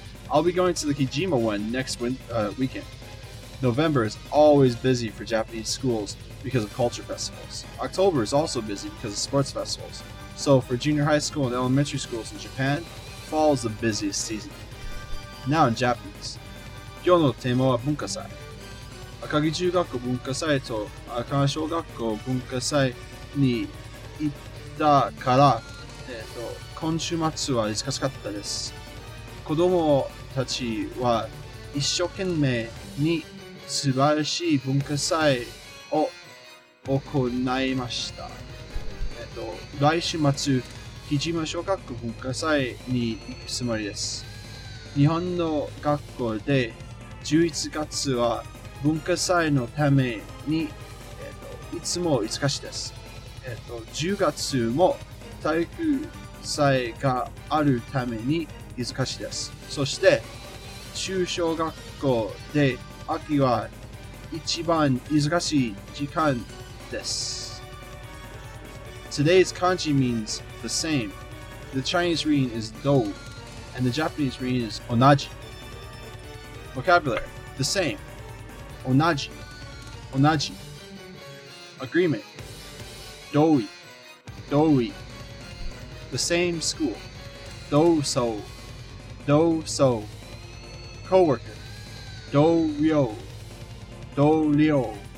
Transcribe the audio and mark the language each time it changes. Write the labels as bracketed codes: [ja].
[en] I'll be going to the Kijima one next weekend. November is always busy for Japanese schools because of culture festivals. October is also busy because of sports festivals. So for junior high school and elementary schools in Japan, fall is the busiest season. Now in Japanese. [ja] 今日のテーマは文化祭。赤城中学校文化祭と赤川小学校文化祭に行ったから、今週末は忙しかったです。子供たちは一生懸命に素晴らしい文化祭を行いました。来週末、木島小学校文化祭に行くつもりです。日本の学校で11月は文化祭のために、いつも忙しいです。 10月も体育祭があるために忙しいです。そして、中小学校で秋は一番忙しい時間です。 [en] Today's kanji means the same. The Chinese reading is dou, and the Japanese reading is onaji. Vocabulary, the same, onaji, agreement, doi, the same school, dou-sou, co-worker, dou-ryo,